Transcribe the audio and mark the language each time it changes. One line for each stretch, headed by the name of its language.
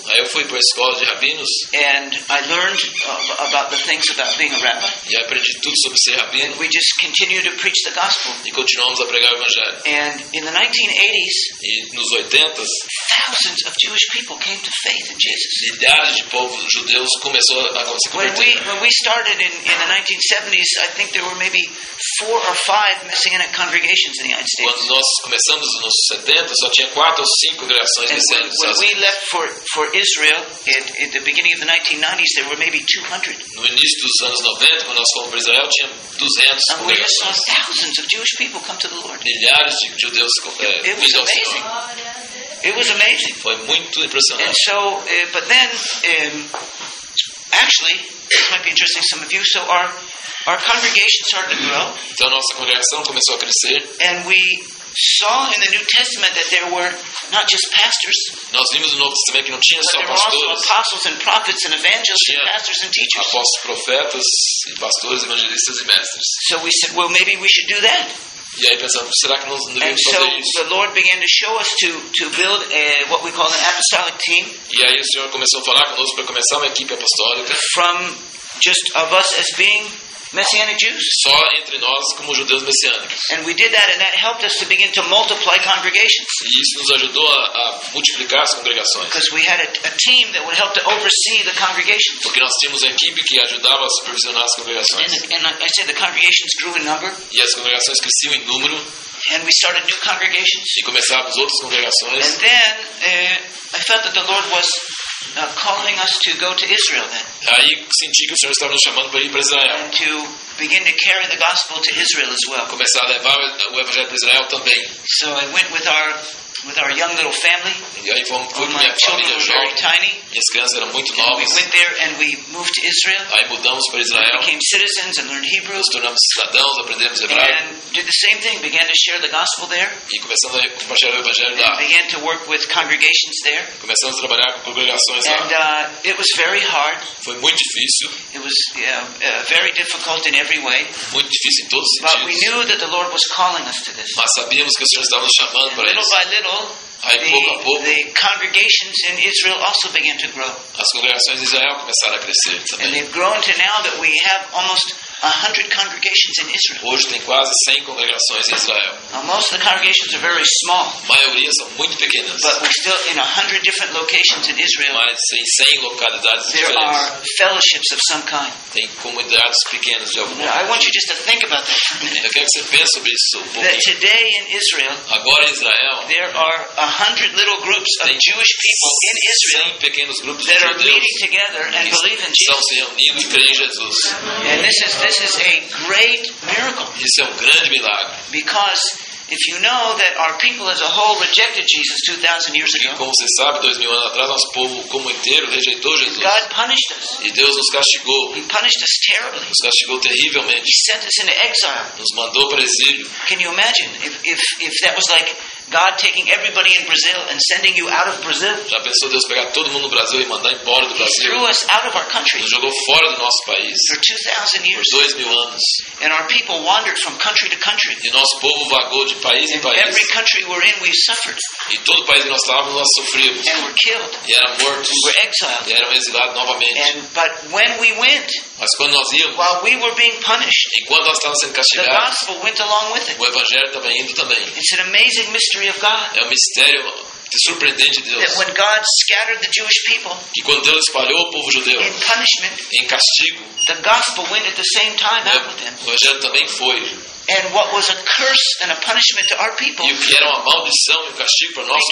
Portuguese: Aí eu fui para a escola de rabinos.
English: And I learned about the things about being a rabbi.
Portuguese: E aprendi tudo sobre ser rabino.
English: And we just continued to preach the gospel.
Portuguese: E continuamos a pregar o evangelho.
English: And in the 1980s,
Portuguese: e nos 80s,
English: thousands of Jewish people came to faith in Jesus.
Portuguese: Milhares de povos judeus começou a se converter.
English: When we started in the 1970s, I think there were maybe 4 or 5 Messianic congregations in the United States.
Portuguese: Quando nós começamos nos 70, só tinha 4 ou 5 congregações messiânicas.
English: When we left for Israel at the beginning of the 1990s, there were maybe 200.
Portuguese: No início dos anos 90, quando nós fomos para Israel, tinha 200 congregações.
English: And we saw thousands of Jewish people come to the Lord.
Portuguese: Milhares de judeus vindo ao Senhor.
English: It was amazing.
Portuguese: Foi muito impressionante.
English: And so, but then, actually, this might be interesting to some of you. So our congregation started to grow.
Portuguese: Então nossa congregação começou a crescer.
English: And we saw in the New Testament that there were not just pastors.
Portuguese: Nós vimos no Novo Testamento que não tinha só pastores.
English: But there were also apostles and prophets and evangelists and pastors and teachers.
Portuguese: Apóstolos, profetas, pastores, evangelistas e mestres.
English: So we said, well, maybe we should do that.
Portuguese: E aí pensamos, será que nós
English: and so the Lord began to show us to build a, what we call an apostolic team.
Portuguese: E aí o Senhor começou a falar conosco para começar uma equipe apostólica.
English: From just of us as being Messianic Jews.
Portuguese: Só entre nós como judeus messiânicos.
English: And we did that, and that helped us to begin to multiply congregations.
Portuguese: E isso nos ajudou a multiplicar as congregações.
English: Because we had a team that would help to oversee the congregations.
Portuguese: Porque nós tínhamos uma equipe que ajudava a supervisionar as congregações.
English: And I said the congregations grew in number.
Portuguese: E as congregações cresciam em número.
English: And we started new congregations.
Portuguese: E começávamos outras congregações.
English: And then I felt that the Lord was calling us to go to Israel then.
Portuguese: Aí senti que o Senhor estava nos chamando para ir para Israel.
English: And to begin to carry the gospel to Israel as well.
Portuguese: Começar a levar o evangelho para Israel também.
English: So I went with our young little family.
Portuguese: E aí fui com minha família jovem. Minhas crianças eram muito
English: and
Portuguese: novas.
English: We went there and we moved to Israel.
Portuguese: Aí mudamos para Israel.
English: We became citizens and learned Hebrew.
Portuguese: Nos tornamos cidadãos, aprendemos hebraico.
English: And did the same thing, began to share the gospel there.
Portuguese: E começamos a compartilhar o evangelho lá.
English: Began to work with congregations there.
Portuguese: Começamos a trabalhar com congregações lá.
English: And it was very hard.
Portuguese: Foi muito difícil.
English: It was very difficult in every way.
Portuguese: Muito difícil em todos os
English: But
Portuguese: sentidos.
English: We knew that the Lord was calling us to this.
Portuguese: Mas sabíamos que o Senhor estava nos chamando
English: and
Portuguese: para
English: little
Portuguese: isso.
English: By little, The congregations in Israel also began to grow.
Portuguese: As congregações de Israel começaram a crescer também.
English: And they've grown to now that we have almost 100 congregations in Israel.
Portuguese: Hoje tem quase 100 congregações em Israel.
English: Most of the congregations are very small.
Portuguese: A maioria são muito pequenas.
English: But we're still in 100 different locations in Israel.
Portuguese: Mas em 100 localidades
English: there
Portuguese: diferentes.
English: There are fellowships of some kind.
Portuguese: Tem comunidades pequenas de alguma.
English: Now, I want you just to think about that.
Portuguese: Eu quero que você pense sobre isso.
English: That today in Israel.
Portuguese: Agora em Israel.
English: There are 100 little groups of Jewish people in Israel.
Portuguese: 100 pequenos grupos
English: that
Portuguese: de
English: are meeting together and believe in Jesus.
Portuguese: Estão se reunindo e creem em Jesus.
English: And this is a great miracle.
Portuguese: Isso é grande milagre.
English: Because if you know that our people as a whole rejected Jesus 2,000 years ago.
Portuguese: E como você sabe, 2,000 anos atrás nosso povo como inteiro rejeitou Jesus.
English: God punished us.
Portuguese: E Deus nos castigou.
English: He punished us terribly.
Portuguese: Nos castigou terrivelmente.
English: He sent us into exile.
Portuguese: Nos mandou para exílio.
English: Can you imagine if that was like God taking everybody in Brazil and sending you out of Brazil.
Portuguese: Já pensou Deus pegar todo mundo no Brasil e mandar embora do Brasil?
English: He threw us out of our country.
Portuguese: Nos jogou fora do nosso país.
English: For 2,000 years.
Portuguese: Por 2,000 anos.
English: And our people wandered from country to country.
Portuguese: E nosso povo vagou de país
English: and
Portuguese: em país.
English: Every country we're in, we suffered.
Portuguese: E todo país que nós estávamos, nós sofríamos.
English: And were killed.
Portuguese: E eram mortos.
English: We were exiled.
Portuguese: E eram exilados novamente.
English: But when we went.
Portuguese: Mas quando nós íamos.
English: While we were being punished.
Portuguese: Enquanto nós estávamos sendo castigados.
English: The gospel went along with it.
Portuguese: O evangelho estava indo também.
English: It's an amazing mystery.
Portuguese: É um mistério surpreendente de Deus.
English: That when God scattered the Jewish people,
Portuguese: que quando Deus espalhou o povo judeu
English: in punishment,
Portuguese: em castigo,
English: the gospel went at the same time out with them.
Portuguese: O evangelho também foi.
English: And what was a curse and a punishment to our people?
Portuguese: E o que era uma maldição e um castigo para o nosso